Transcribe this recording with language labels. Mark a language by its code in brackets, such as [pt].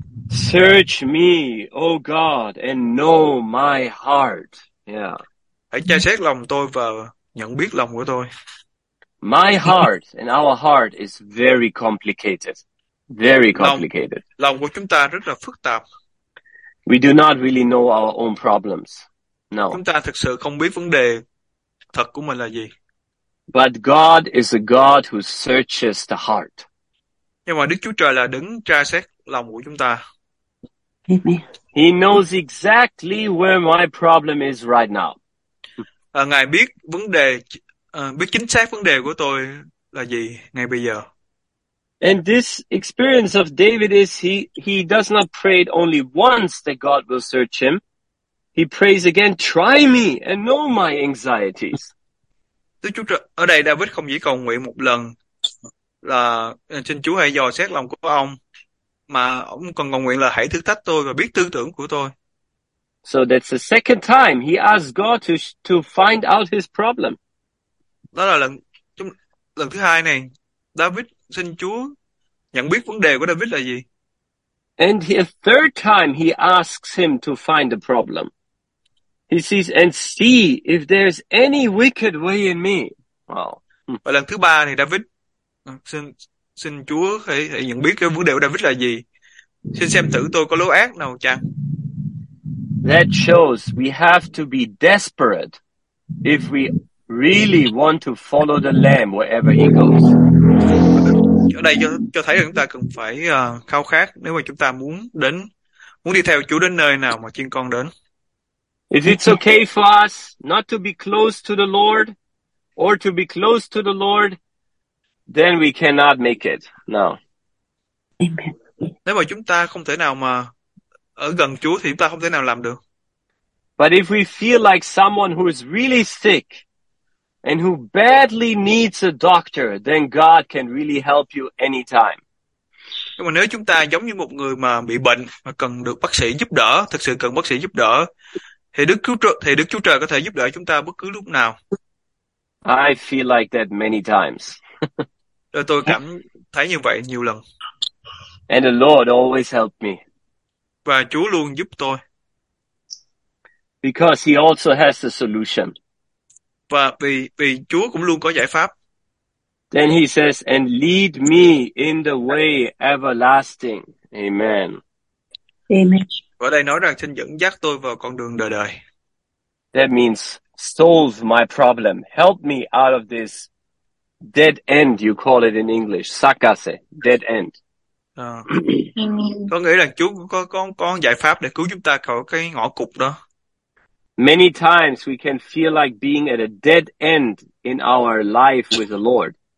[en] Search me, O God, and know my heart. Yeah. [vi] Hãy tra xét lòng tôi và nhận biết lòng của tôi. [en] My heart and our heart is very complicated. Very complicated. [vi] Lòng của chúng ta rất là phức tạp. [en] We do not really know our own problems. No. [vi] Chúng ta thực sự không biết vấn đề thật của mình là gì. [en] But God is a God who searches the heart. [vi] Nhưng mà Đức Chúa Trời là đứng tra xét lòng của chúng ta. [en] He knows exactly where my problem is right now. [vi] Ngài biết vấn đề, biết chính xác vấn đề của tôi là gì ngay bây giờ. [en] And this experience of David is he does not pray only once that God will search him. He prays again, try me and know my anxieties. [vi] Đức Chúa Trời, ở đây David không chỉ cầu nguyện một lần là xin Chúa hãy dò xét lòng của ông, mà ông còn cầu nguyện là hãy thử thách tôi và biết tư tưởng của tôi. [en] So that's the second time he asks God to find out his problem. [vi] Đó là lần thứ hai này David xin Chúa nhận biết vấn đề của David là gì. [en] And a third time he asks him to find the problem. He says, and see if there's any wicked way in me. Wow. [vi] Và lần thứ ba thì David xin Chúa hãy nhận biết cái vấn đề của David là gì. Xin xem thử tôi có lối ác nào chăng. [en] That shows we have to be desperate if we really want to follow the Lamb wherever he goes. [vi] Ở đây cho thấy là chúng ta cần phải khao khát nếu mà chúng ta muốn đi theo Chúa đến nơi nào mà chiên con đến. [en] If it's okay for us not to be close to the Lord or to be close to the Lord, then we cannot make it. No. [vi] Nếu mà chúng ta không thể nào mà ở gần Chúa thì chúng ta không thể nào làm được. [en] But if we feel like someone who is really sick and who badly needs a doctor, then God can really help you anytime. [vi] Nhưng mà nếu chúng ta giống như một người mà bị bệnh mà cần được bác sĩ giúp đỡ, thực sự cần bác sĩ giúp đỡ, thì Đức Chúa Trời có thể giúp đỡ chúng ta bất cứ lúc nào. [en] I feel like that many times. [vi] Rồi tôi cảm thấy như vậy nhiều lần. [en] And the Lord always helped me. [vi] Và Chúa luôn giúp tôi. [en] Because he also has the solution. [vi] Và vì Chúa cũng luôn có giải pháp. [en] Then he says, and lead me in the way everlasting. Amen. Amen. [vi] Ở đây nói rằng xin dẫn dắt tôi vào con đường đời đời. [en] That means solve my problem. Help me out of this dead end, you call it in English. Sakase, dead end. [vi] Có nghĩa là Chúa có giải pháp để cứu chúng ta khỏi cái ngõ cụt đó. [en] Many times we can feel like being at a dead end in our life with the Lord.